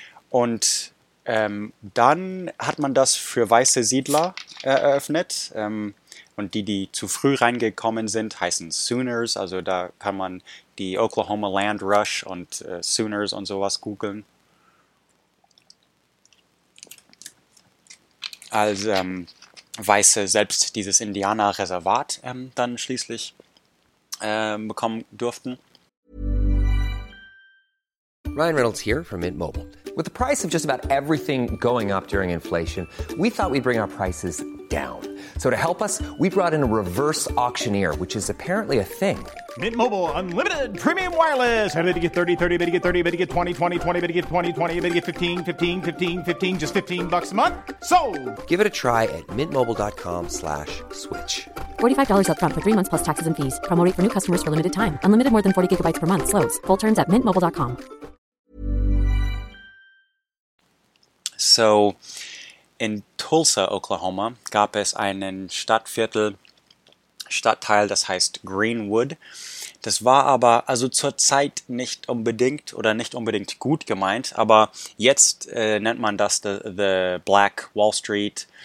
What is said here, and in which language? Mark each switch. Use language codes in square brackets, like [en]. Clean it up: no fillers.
[de] Und dann hat man das für weiße Siedler eröffnet und die zu früh reingekommen sind, heißen Sooners, also da kann man die Oklahoma Land Rush und Sooners und sowas googeln. Als Weiße selbst dieses Indianerreservat dann schließlich bekommen durften. [en] Ryan Reynolds here from Mint Mobile. With the price of just about everything going up during inflation, we thought we'd bring our prices down. So to help us, we brought in a reverse auctioneer, which is apparently a thing. Mint Mobile Unlimited Premium Wireless. How to get 30, 30, how to get 30, how to get 20, 20, 20, how to get 20, 20, how to get 15, 15, 15, 15, just $15 a month? Sold! Give it a try at mintmobile.com/switch. $45 up front for 3 months plus taxes and fees. Promo rate for new customers for limited time. Unlimited more than 40 gigabytes per month. Slows full terms at mintmobile.com. [de] So, in Tulsa, Oklahoma, gab es einen Stadtviertel, Stadtteil, das heißt Greenwood. Das war aber also zur Zeit nicht unbedingt oder nicht unbedingt gut gemeint, aber jetzt nennt man das [en] the Black Wall Street.